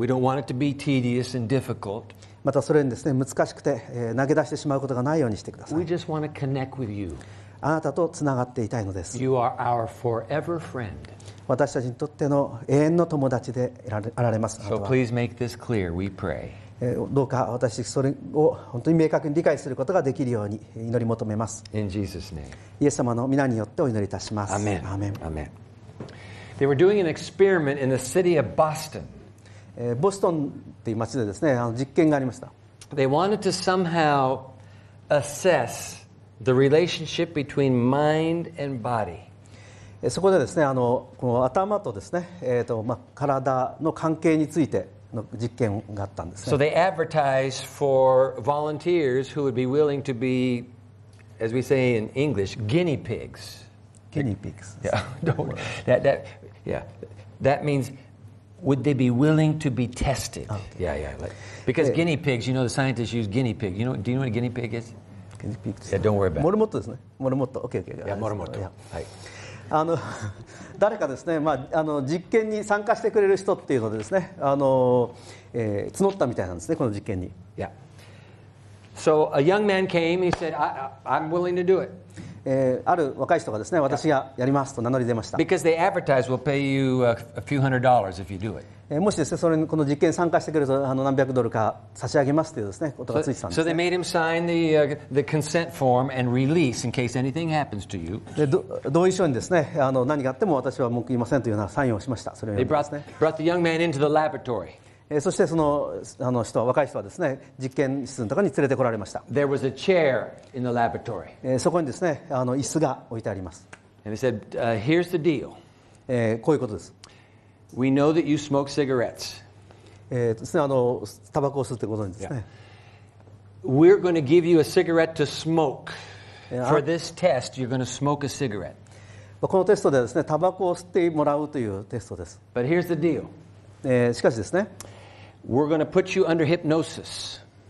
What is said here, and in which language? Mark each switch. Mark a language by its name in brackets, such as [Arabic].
[English] We don't want it to be tedious and difficult. [Japanese] またそれにですね、難しくて、投げ出してしまうことがないようにしてください。 [English] We just want to connect with you. [Japanese] あなたとつながっていたいのです。 [English] You are our forever friend. [Japanese] 私たちにとっての永遠の友達でいられます。 [English] So please make this clear, we pray. [Japanese] どうか私それを本当に明確に理解することができるように祈り求めます。 [English] In Jesus' name. [Japanese] イエス様の皆によってお祈りいたします。 [English] Amen. Amen. Amen. They were doing an experiment in the city of Boston. [Japanese] ボストンという町でですね、実験がありました。 [English] They wanted to somehow assess the relationship between mind and body. [Japanese] そこでですね、あのこの頭とですね、体の関係についての実験があったんですね。 [English] So they advertised for volunteers who would be willing to be, as we say in English, guinea pigs. Guinea pigs. That means, would they be willing to be tested? Okay. Because guinea pigs, you know, the scientists use guinea pigs. Do you know what a guinea pig is? Guinea pigs. Yeah, don't worry about it. [Japanese] モルモットですね。モルモット。 [English] Okay, okay. [Japanese] Yeah, モルモット。はい。あの誰かですね、まあ、あの実験に参加してくれる人っていうのでですね、募ったみたいなんですね、この実験に。 [English] Yeah. So a young man came, he said, I'm willing to do it. [Japanese] ある若い人がですね、私がやりますと名乗り出ました。 [English] Because they advertise, we'll pay you a few hundred dollars if you do it. [Japanese] もしですね、それにこの実験に参加してくれると何百ドルか差し上げますというですね、ことがついてたんですね。 [English] So they made him sign the consent form and release in case anything happens to you. [Japanese] 同意書にですね、何があっても私は文句言いませんというようなサインをしました。それを読んでですね。 [English] They brought the young man into the laboratory. [Japanese] そしてその人は若い人はですね実験室のところに連れてこられました。 [English] There was a chair in the laboratory. [Japanese] そこにですね椅子が置いてあります。 [English] And he said, here's the deal. [Japanese] こういうことです。 [English] We know that you smoke cigarettes. [Japanese] ですねタバコを吸うってことなんですね。 [English] Yeah. We're going to give you a cigarette to smoke. For this test, you're going to smoke a cigarette. [Japanese] このテストではですねタバコを吸ってもらうというテストです。 [English] But here's the deal. [Japanese] しかしですね、 [English] We're going to put you under hypnosis.